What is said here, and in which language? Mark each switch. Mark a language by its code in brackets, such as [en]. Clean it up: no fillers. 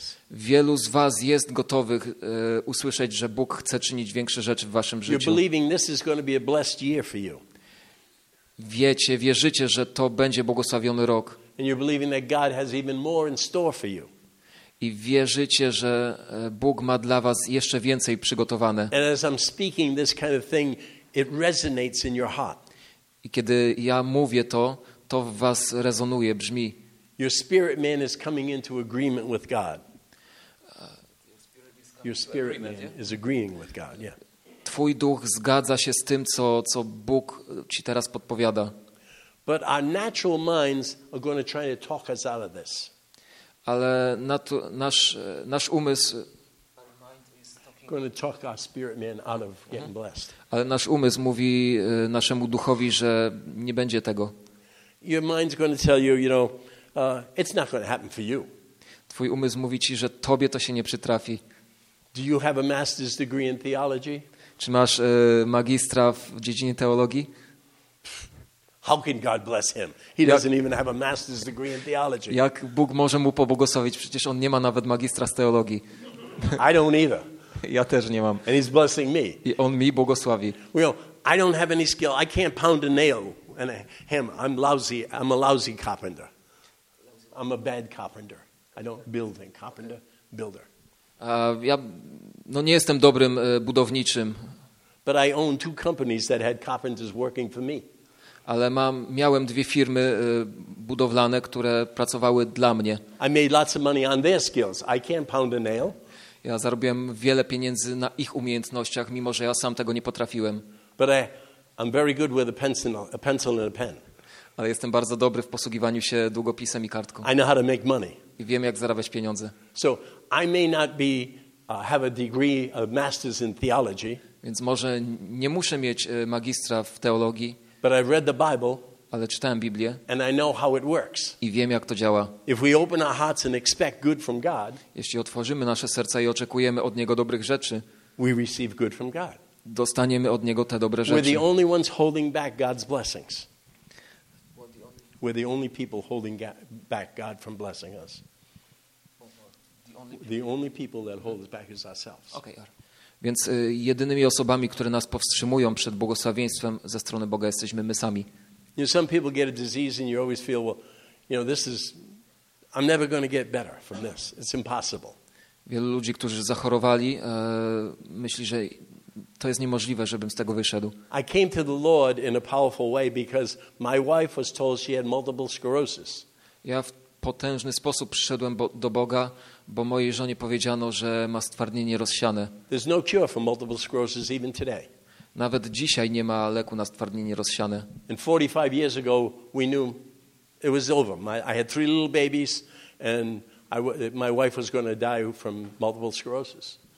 [pl] Wielu z was jest gotowych usłyszeć, że Bóg chce czynić większe rzeczy w waszym życiu. [en] You're believing this is going to be a blessed year for you. [pl] Wiecie, wierzycie, że to będzie błogosławiony rok. [en] And you're believing that God has even more in store for you. [pl] I wierzycie, że Bóg ma dla was jeszcze więcej przygotowane. [en] And as I'm speaking this kind of thing, it resonates in your heart. [pl] I kiedy ja mówię to, to w was rezonuje, brzmi. [en] Your spirit man is coming into agreement with God. Your spirit man is agreeing with God. Yeah. [pl] Twój duch zgadza się z tym, co Bóg ci teraz podpowiada. [en] But our natural minds are going to try to talk us out of this. [pl] Ale nasz umysł [en] going to talk our spirit man out of getting blessed. [pl] Ale nasz umysł mówi naszemu duchowi, że nie będzie tego. [en] Your mind's going to tell you, you know, it's not going to happen for you. [pl] Twój umysł mówi ci, że tobie to się nie przytrafi. [en] Do you have a master's degree in theology? [pl] Czy masz magistra w dziedzinie teologii? [en] How can God bless him? He doesn't even have a master's degree in theology. [pl] Jak Bóg może mu pobłogosławić? Przecież on nie ma nawet magistra z teologii. [en] I don't either. [pl] Ja też nie mam. [en] And he's blessing me. [pl] I on mi błogosławi. [en] Well, I don't have any skill. I can't pound a nail and a hammer. I'm a lousy carpenter. I'm a bad carpenter. I don't build things. Carpenter, builder. [pl] Ja no nie jestem dobrym budowniczym. [en] But I own two companies that had carpenters working for me. [pl] Ale miałem dwie firmy budowlane, które pracowały dla mnie. [en] I made lots of money on their skills. I can't pound a nail. [pl] Ja zarobiłem wiele pieniędzy na ich umiejętnościach, mimo że ja sam tego nie potrafiłem. [en] But I'm very good with a pencil and a pen. [pl] Ale jestem bardzo dobry w posługiwaniu się długopisem i kartką. [en] I know how to make money. [pl] I wiem, jak zarabiać pieniądze. [en] So I may not be have a degree of master's in theology. [pl] Więc może nie muszę mieć magistra w teologii. [en] But I've read the Bible. [pl] Ale czytałem Biblię. [en] And I know how it works. [pl] I wiem, jak to działa. [en] If we open our hearts and expect good from God. [pl] Jeśli otworzymy nasze serca i oczekujemy od niego dobrych rzeczy. [en] We receive good from God. [pl] Dostaniemy od niego te dobre rzeczy. [en] We're the only ones holding back God's blessings. We're the only people holding back God from blessing us. The only people that hold us back is ourselves. Okay. [pl] Więc jedynymi osobami, które nas powstrzymują przed błogosławieństwem ze strony Boga, jesteśmy my sami. [en] You know, some people get a disease and you always feel, well, you know, this is, I'm never going to get better from this. It's impossible. [pl] Wielu ludzi, którzy zachorowali, myśli, że to jest niemożliwe, żebym z tego wyszedł. [en] I came to the Lord in a powerful way because my wife was told she had multiple sclerosis. [pl] Ja w potężny sposób przyszedłem do Boga, bo mojej żonie powiedziano, że ma stwardnienie rozsiane. [en] There's no cure for multiple sclerosis even today. [pl] Nawet dzisiaj nie ma leku na stwardnienie rozsiane. [en] And 45 years ago we knew it was over. I had three little babies and my wife was going to die from multiple sclerosis.